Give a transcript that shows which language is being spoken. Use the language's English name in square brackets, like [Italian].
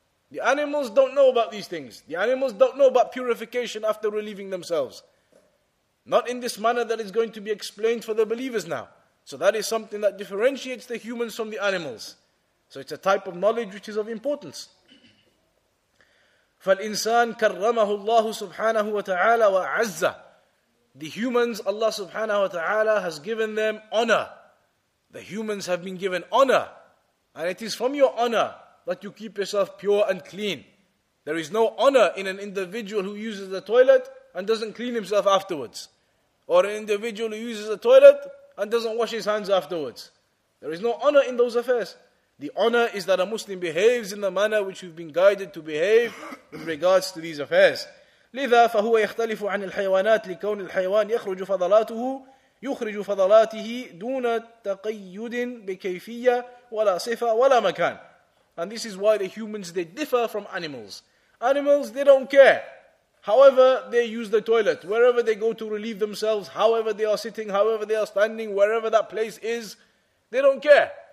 [English] The animals don't know about these things. The animals don't know about purification after relieving themselves. Not in this manner that is going to be explained for the believers now. So that is something that differentiates the humans from the animals. So it's a type of knowledge which is of importance. [Arabic] فالإنسان كرمه الله سبحانه وتعالى وعزة. [English] The humans, Allah subhanahu wa ta'ala has given them honor. The humans have been given honor. And it is from your honor that you keep yourself pure and clean. There is no honor in an individual who uses the toilet and doesn't clean himself afterwards. Or an individual who uses the toilet and doesn't wash his hands afterwards. There is no honor in those affairs. The honor is that a Muslim behaves in the manner which we've been guided to behave with regards to these affairs. [Arabic] لذا فهو يختلف عن الحيوانات لكون الحيوان يخرج فضلاته يخرج فضلاته دون تقيد بكيفية ولا صفة ولا مكان. [English] And this is why the humans, they differ from animals. Animals, they don't care. However they use the toilet, wherever they go to relieve themselves, however they are sitting, however they are standing, wherever that place is, they don't care.